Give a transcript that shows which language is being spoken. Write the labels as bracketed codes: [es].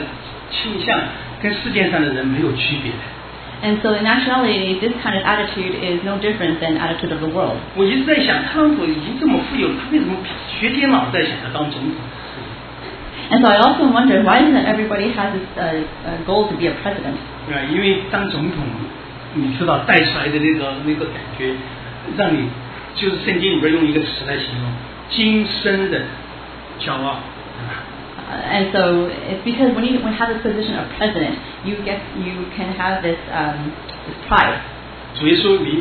[zh] 这些倾向跟世界上的人没有区别。 [en] And so in actuality, this kind of attitude is no different than the attitude of the world. [zh] 我一直在想，特朗普已经这么富有，他为什么学天老在想着当总统？ [en] And so I also wonder, why isn't everybody has this goal to be a president? And so it's because when you have this position of president, you can have this, this pride.